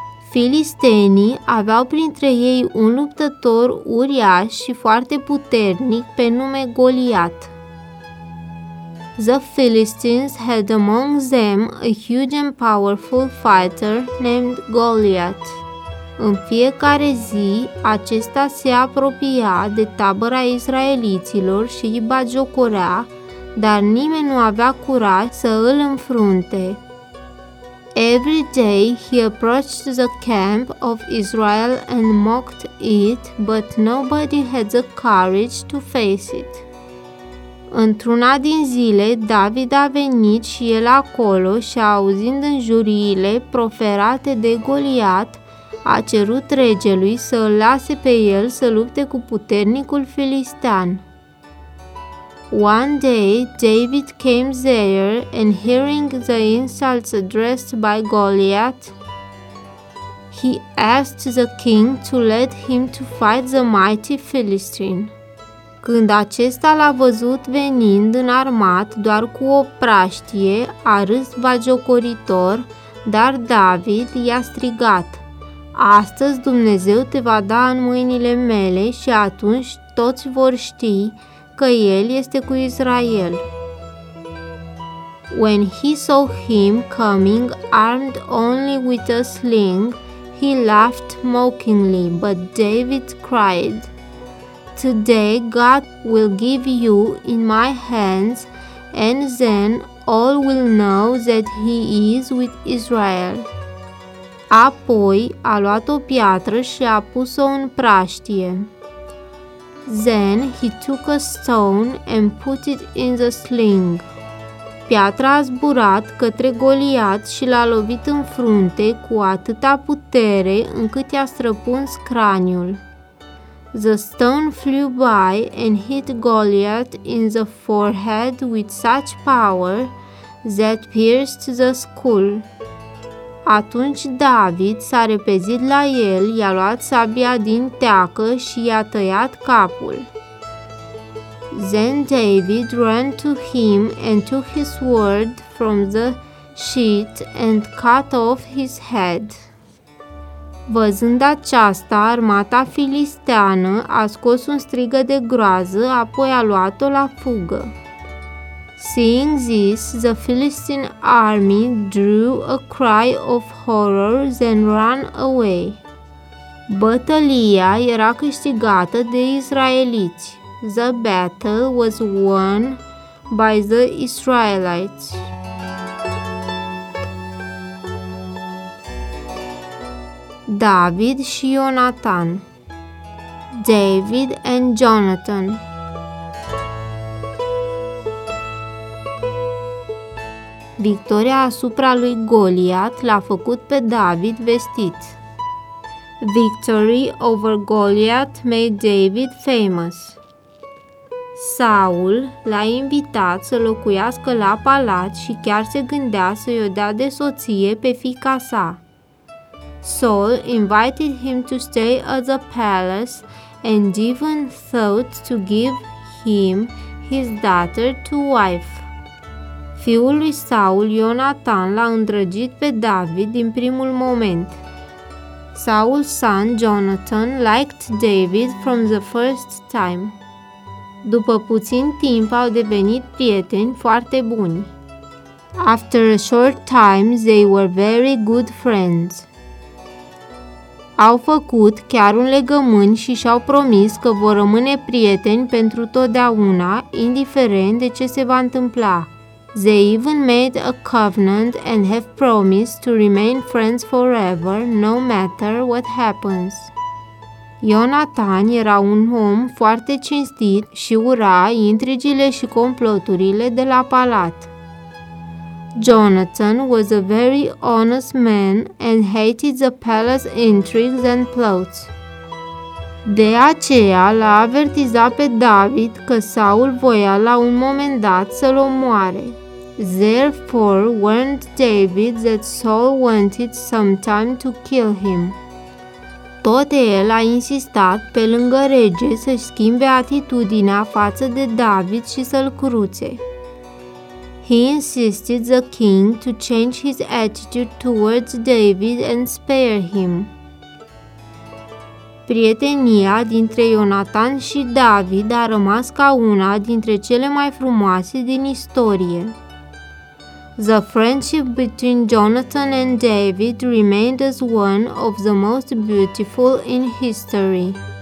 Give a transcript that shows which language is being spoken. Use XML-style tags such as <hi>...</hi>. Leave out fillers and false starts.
<ro>Filistenii aveau printre ei un luptător uriaș și foarte puternic pe nume Goliat.</ro> <en>The Philistines had among them a huge and powerful fighter named Goliath.</en> <ro>În fiecare zi, acesta se apropia de tabăra israeliților și îi batjocorea, dar nimeni nu avea curaj să îl înfrunte.</ro> <en>Every day he approached the camp of Israel and mocked it, but nobody had the courage to face it.</en> <ro>Într-una din zile, David a venit și el acolo și, auzind înjuriile proferate de Goliat, a cerut regelui să îl lase pe el să lupte cu puternicul filistean.</ro> <en>One day, David came there and hearing the insults addressed by Goliath, he asked the king to let him to fight the mighty Philistine.</en> <ro>Când acesta l-a văzut venind înarmat doar cu o praștie, a râs batjocoritor, dar David i-a strigat: astăzi Dumnezeu te va da în mâinile mele și atunci toți vor ști că El este cu Israel.</ro> <en>When he saw him coming armed only with a sling, he laughed mockingly, but David cried, "Today God will give you in my hands and then all will know that He is with Israel."</en> <ro>Apoi a luat o piatră și a pus-o în praștie.</ro> <en>Then he took a stone and put it in the sling.</en> <ro>Piatra a zburat către Goliat și l-a lovit în frunte cu atâta putere încât i-a străpuns craniul.</ro> <en>The stone flew by and hit Goliat in the forehead with such power that pierced the skull.</en> <ro>Atunci David s-a repezit la el, i-a luat sabia din teacă și i-a tăiat capul.</ro> <en>Then David ran to him and took his sword from the sheath and cut off his head.</en> <ro>Văzând aceasta, armata filisteană a scos un strigă de groază, apoi a luat-o la fugă.</ro> <en>Seeing this, the Philistine army drew a cry of horror and ran away.</en> <ro>Bătălia era câștigată de israeliți.</ro> <en>The battle was won by the Israelites.</en> <ro>David și Jonathan.</ro> <en>David and Jonathan.</en> <ro>Victoria asupra lui Goliat l-a făcut pe David vestit.</ro> <en>Victory over Goliath made David famous.</en> <ro>Saul l-a invitat să locuiască la palat și chiar se gândea să-i o dea de soție pe fiica sa.</ro> <en>Saul invited him to stay at the palace and even thought to give him his daughter to wife.</en> <ro>Fiul lui Saul, Jonathan, l-a îndrăgit pe David din primul moment.</ro> <en>Saul's son, Jonathan, liked David from the first time.</en> <ro>După puțin timp, au devenit prieteni foarte buni.</ro> <en>After a short time, they were very good friends.</en> <ro>Au făcut chiar un legământ și și-au promis că vor rămâne prieteni pentru totdeauna, indiferent de ce se va întâmpla.</ro> <en>They even made a covenant and have promised to remain friends forever, no matter what happens.</en> <ro>Jonathan era un om foarte cinstit și ura intrigile și comploturile de la palat.</ro> <en>Jonathan was a very honest man and hated the palace intrigues and plots.</en> <ro>De aceea l-a avertizat pe David că Saul voia la un moment dat să-l omoare.</ro> <en>Therefore warned David that Saul wanted some time to kill him.</en> <ro>tot el a insistat pe lângă rege să-și schimbe atitudinea față de David și să-l cruțe.</ro> <en>He insisted the king to change his attitude towards David and spare him.</en> <ro>Prietenia dintre Ionatan și David a rămas ca una dintre cele mai frumoase din istorie.</ro> <en>The friendship between Jonathan and David remained as one of the most beautiful in history.</en>